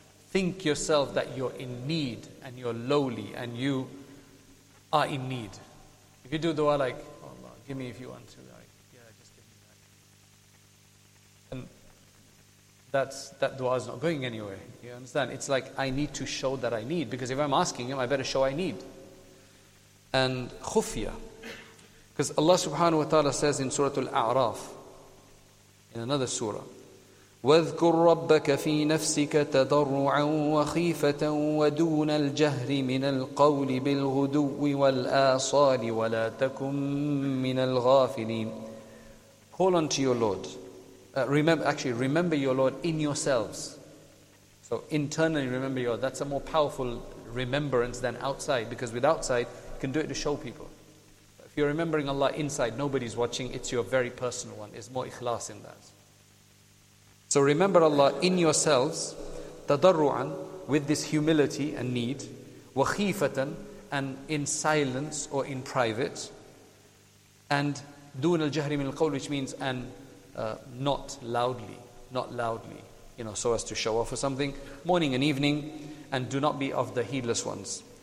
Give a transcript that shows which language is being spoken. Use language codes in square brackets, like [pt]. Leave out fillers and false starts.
[en] Think yourself that you're in need and you're lowly and you are in need. If you do dua like, oh Allah, give me if you want to. Like, yeah, just give me that. And that dua is not going anywhere. You understand? It's like, I need to show that I need, because if I'm asking Him, I better show I need. And khufya, because Allah subhanahu wa ta'ala says in Surah Al-A'raf, in another surah, [ar] وَذْكُرْ رَبَّكَ فِي نَفْسِكَ تَضَرُّعًا وَخِيفَةً وَدُونَ الْجَهْرِ مِنَ الْقَوْلِ بِالْغُدُوِّ وَالْآصَالِ وَلَا تَكُمْ مِنَ الْغَافِلِينَ. [en] Call unto your Lord. Remember your Lord in yourselves. So internally remember your Lord. That's a more powerful remembrance than outside, because with outside, can do it to show people. If you're remembering Allah inside, nobody's watching, it's your very personal one. It's more ikhlas in that. So remember Allah in yourselves, tadarru'an, with this humility and need, wa khifatan, and in silence or in private, and [ar] dun al jahri min al qawl, [en] which means and not loudly, you know, so as to show off or something, morning and evening, and do not be of the heedless ones.